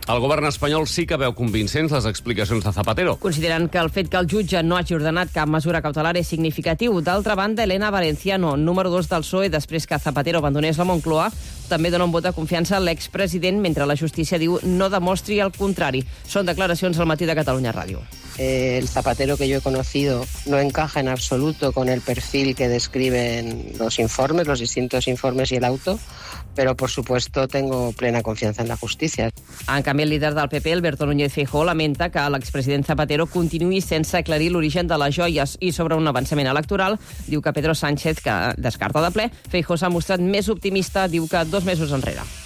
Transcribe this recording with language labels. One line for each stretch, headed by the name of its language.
Catalan: El govern espanyol sí que veu convincents les explicacions de Zapatero. Considerant que el fet que el jutge no hagi ordenat cap mesura cautelar és significatiu. D'altra banda, Elena Valenciano, número 2 del PSOE, després que Zapatero abandonés la Moncloa, també dona un vot de confiança a l'expresident, mentre la justícia diu no demostri el contrari. Són declaracions al matí de Catalunya Ràdio.
Spanish: El Zapatero que yo he conocido no encaja en absoluto con el perfil que describen los informes, los distintos informes y el auto, pero por supuesto tengo plena confianza en la justicia.
Catalan: En canvi, el líder del PP, Alberto Núñez Feijóo, lamenta que l'expresident Zapatero continuï sense aclarir l'origen de les joies i sobre un avançament electoral, diu que Pedro Sánchez, que descarta de ple, Feijóo s'ha mostrat més optimista, diu que 2 mesos enrere.